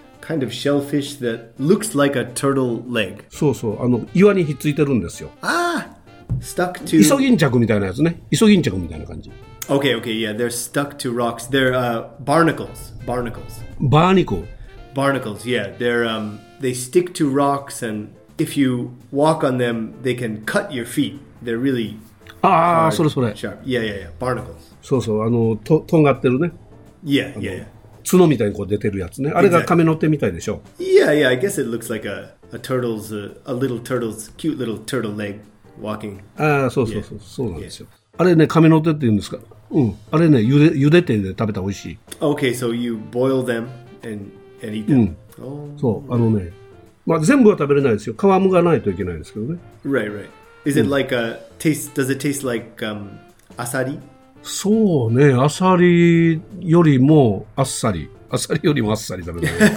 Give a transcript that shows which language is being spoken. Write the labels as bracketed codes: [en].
[en] Kind of shellfish that looks like a turtle leg. [ja] そうそう、岩にひっついてるんですよ。 [en] Ah! Stuck to... [ja] イソギンチャクみたいなやつね。イソギンチャクみたいな感じ。 [en] Okay, okay, yeah, they're stuck to rocks. They're barnacles. Barnacles. Barnacle. Barnacles, yeah. They're, they stick to rocks and if you walk on them, they can cut your feet. They're really [ja] ah, hard, それそれ [en] sharp. Yeah, yeah, yeah, barnacles. [ja] そうそう、とんがってるね。 [en] Yeah, yeah, yeah. [ja] 角みたいにこう出てるやつね。あれがカメノテみたいでしょ。 [en] Exactly. Yeah, yeah. I guess it looks like a turtle's a little turtle's cute little turtle leg walking. [ja] ああ、そうそうそう、yeah. そうなんですよ。Yeah. あれね、カメノテって言うんですか。うん。あれね、茹でて、ね、食べたら美味しい。 [en] Okay, so you boil them and eat them.、 [ja] うん、oh. そう、ね、まあ全部は食べれないですよ。皮むがないといけないですけどね。 [en] Right, right. Is it like a taste? Does it taste like アサリ？ [ja] そうね、アサリよりもあっさり、アサリよりもあっさりだね。